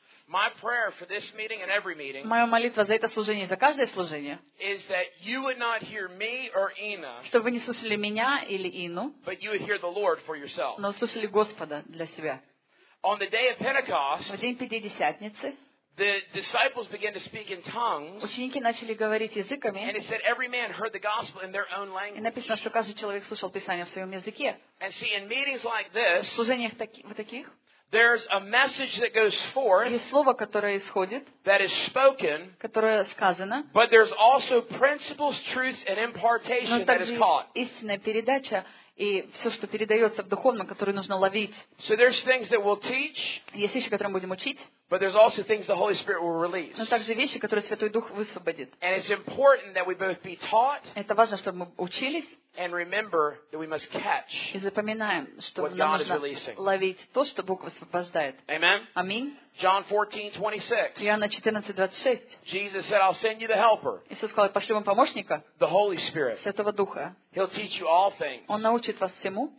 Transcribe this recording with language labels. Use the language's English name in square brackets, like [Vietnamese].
[English] My prayer for this meeting and every meeting, [Russian] моя молитва за это служение и за каждое служение, [English] is that you would not hear me or Ina, [Russian] чтобы вы не слышали меня или Ину, [English] but you would hear the Lord for yourself. [Russian] Но слышали Господа для себя. [English] On the day of Pentecost, [Russian] в день Пятидесятницы, [English] the disciples began to speak in tongues, [Russian] ученики начали говорить языками, [English] and it said every man heard the gospel in their own language. [Russian] И написано, что каждый человек слышал Писание в своем языке. [English] And see, in meetings like this, [Russian] в служениях таких, [English] there's a message that goes forth. [Russian] Есть слово, которое исходит. [English] That is spoken. [Russian] Которое сказано. [English] But there's also principles, truths, and impartation that is caught. [Russian] Но также истинная передача и все, что передается в духовном, которое нужно ловить. [English] So there's things that we'll teach. [Russian] Есть вещи, которые мы будем учить. [English] But there's also things the Holy Spirit will release. [Russian] Но также вещи, которые Святой Дух высвободит. [English] And it's important that we both be taught. [Russian] Это важно, чтобы мы учились. [English] And remember that we must catch what God is releasing. [Russian] И запоминаем, что нужно ловить то, что Бог высвобождает. [English] Amen. [Russian] Аминь. [English] John 14:26. [Russian] Иоанна 14:26. [English] Jesus said, "I'll send you the Helper." [Russian] Иисус сказал, пошлю вам помощника. [English] The Holy Spirit. [Russian] Святого Духа. [English] He'll teach you all things. [Russian] Он научит вас всему.